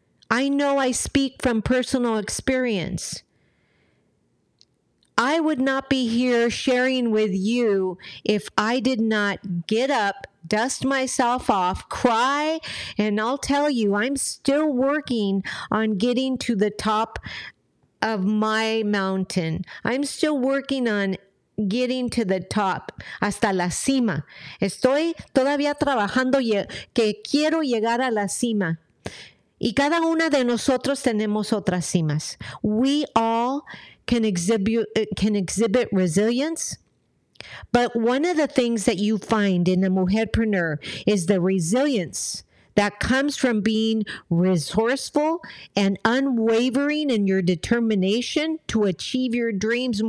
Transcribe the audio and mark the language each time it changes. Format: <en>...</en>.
<en>I know I speak from personal experience. I would not be here sharing with you if I did not get up, dust myself off, cry, and I'll tell you, I'm still working on getting to the top of my mountain. I'm still working on getting to the top,</en> <es>hasta la cima. Estoy todavía trabajando que quiero llegar a la cima. Y cada una de nosotros tenemos otras cimas.</es> <en>We all can exhibit resilience. But one of the things that you find in a mujerpreneur is the resilience that comes from being resourceful and unwavering in your determination to achieve your dreams.</en>